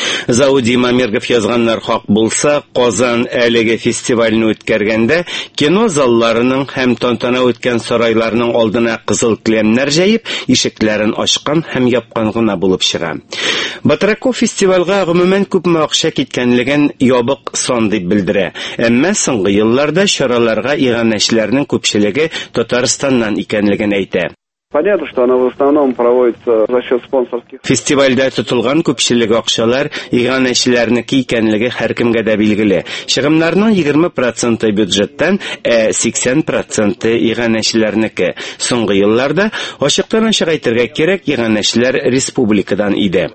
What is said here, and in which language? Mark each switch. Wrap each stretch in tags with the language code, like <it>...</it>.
<tt>Зауди Мамергов язганнар хак булса, Казан әлеге фестивальне үткәргәндә кино залларының һәм тантана үткән сарайларның алдына кызыл кләмнәр җәйеп, ишекләрен ачкан һәм япкан гына булып чыга. Батраков фестивальга гомумән күп акча киткәнлеген ябык сан дип белдерә. Әммә соңгы елларда чараларга иганәчләрнең күпчелеге Татарстаннан икәнлеген әйтә.</tt> <ru>Понятно, что оно в основном проводится за счет спонсорских.</ru> <tt>Фестивальдә тотылган күпчелек акчалар иганәчләрнеке икәнлеге һәркемгә дә билгеле. Чыгымнарның 20% бюджеттан, 80% иганәчләрнеке. Соңгы елларда ачыктан-ачык әйтергә кирәк, иганәчләр республикадан иде.</tt>